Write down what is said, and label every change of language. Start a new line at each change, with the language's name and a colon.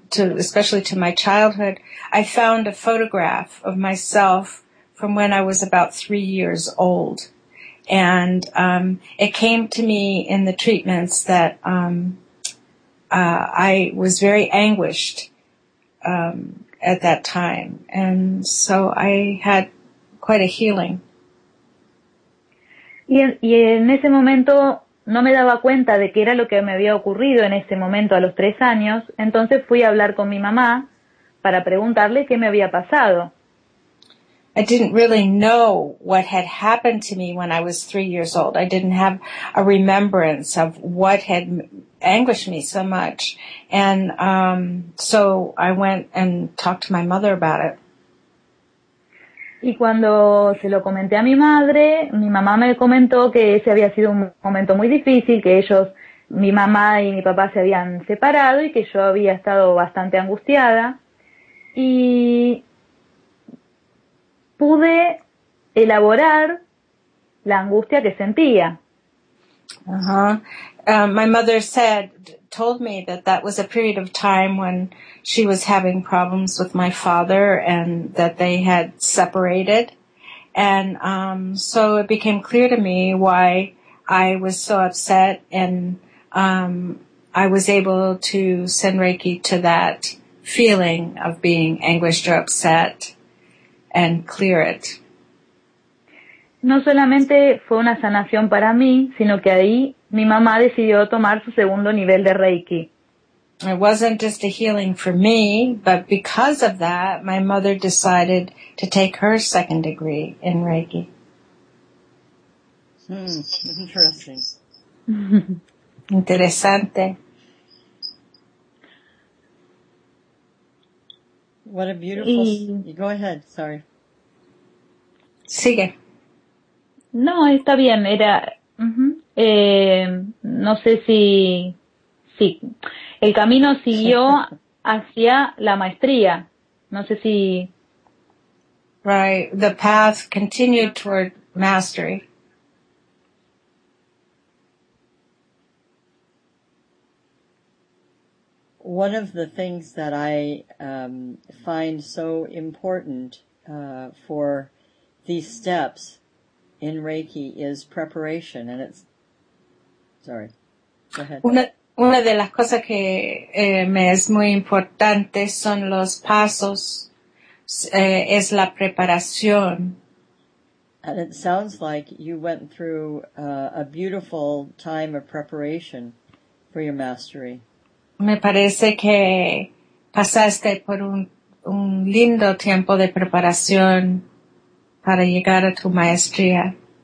English: to especially to my childhood, I found a photograph of myself from when I was about 3 years old. And it came to me in the treatments that I was very anguished at that time. And so I had quite a healing.
Spanish: Y en ese momento no me daba cuenta de qué era lo que me había ocurrido en ese momento a los 3 años. Entonces fui a hablar con mi mamá para preguntarle qué me había pasado.
English: I didn't really know what had happened to me when I was 3 years old. I didn't have a remembrance of what had anguished me so much. And so I went and talked to my mother about it.
Spanish: Y cuando se lo comenté a mi madre, mi mamá me comentó que ese había sido un momento muy difícil, que ellos, mi mamá y mi papá se habían separado y que yo había estado bastante angustiada. Y pude elaborar la angustia que sentía.
English: My mother told me that was a period of time when she was having problems with my father and that they had separated. And so it became clear to me why I was so upset, and I was able to send Reiki to that feeling of being anguished or upset and clear it.
Spanish: No solamente fue una sanación para mí, sino que ahí mi mamá decidió tomar su segundo nivel de Reiki.
English: It wasn't just a healing for me, but because of that, my mother decided to take her second degree in Reiki. Interesting.
Spanish: Interesante.
English: What a beautiful... Go ahead, sorry.
Spanish: Sigue. No, está bien, era... No sé si, sí, el camino siguió hacia la maestría. No sé si.
English: Right, the path continued toward mastery. One of the things that I find so important for these steps in Reiki is preparation, and it's
Spanish: Una de las cosas que me es muy importante son los pasos, es la preparación.
English: And it sounds like you went through a beautiful time of preparation for your mastery.
Spanish: Me parece que pasaste por un lindo tiempo de preparación para llegar a tu maestría.